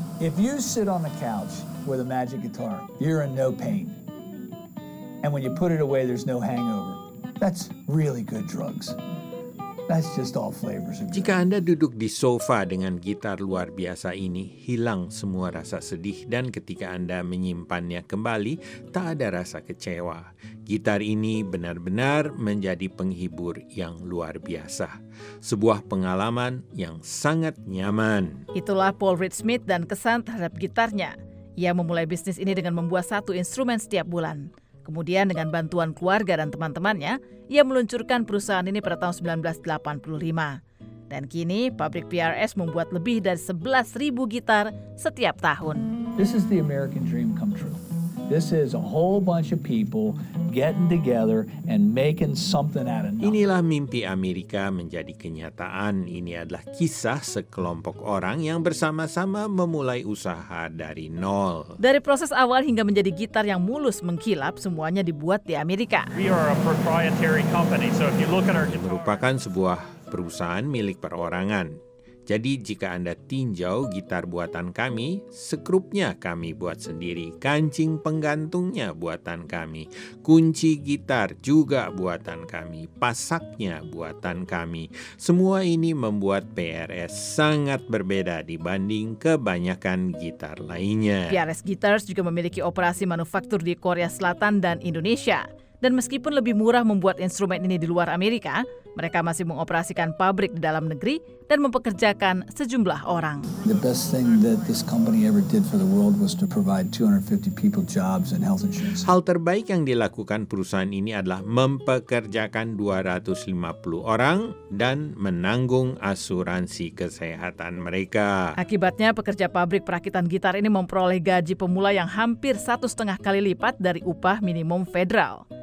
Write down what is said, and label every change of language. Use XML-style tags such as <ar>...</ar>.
<en>If you sit on the couch with a magic guitar, you're in no pain. And when you put it away, there's no hangover. That's really good drugs. That's just all flavors of drugs.</en> <id>Jika Anda duduk di sofa dengan gitar luar biasa ini, hilang semua rasa sedih dan ketika Anda menyimpannya kembali, tak ada rasa kecewa. Gitar ini benar-benar menjadi penghibur yang luar biasa. Sebuah pengalaman yang sangat nyaman. Itulah Paul Reed Smith dan kesan terhadap gitarnya. Ia memulai bisnis ini dengan membuat satu instrumen setiap bulan. Kemudian dengan bantuan keluarga dan teman-temannya, ia meluncurkan perusahaan ini pada tahun 1985. Dan kini, pabrik PRS membuat lebih dari 11.000 gitar setiap tahun.</id> <en>This is the American dream come true. This is a whole bunch of people getting together and making something out of nothing.</en> <id>Inilah mimpi Amerika menjadi kenyataan. Ini adalah kisah sekelompok orang yang bersama-sama memulai usaha dari nol. Dari proses awal hingga menjadi gitar yang mulus mengkilap, semuanya dibuat di Amerika.</id> <en>We are a proprietary company, so if you look at our guitar...</en> <id>Ini merupakan sebuah perusahaan milik perorangan. Jadi jika Anda tinjau gitar buatan kami, skrupnya kami buat sendiri, kancing penggantungnya buatan kami, kunci gitar juga buatan kami, pasaknya buatan kami. Semua ini membuat PRS sangat berbeda dibanding kebanyakan gitar lainnya. PRS Guitars juga memiliki operasi manufaktur di Korea Selatan dan Indonesia. Dan meskipun lebih murah membuat instrumen ini di luar Amerika, mereka masih mengoperasikan pabrik di dalam negeri dan mempekerjakan sejumlah orang.</id> <en>The best thing that this company ever did for the world was to provide 250 people jobs and health insurance.</en> <id>Hal terbaik yang dilakukan perusahaan ini adalah mempekerjakan 250 orang dan menanggung asuransi kesehatan mereka. Akibatnya, pekerja pabrik perakitan gitar ini memperoleh gaji pemula yang hampir 1,5 kali lipat dari upah minimum federal.</id>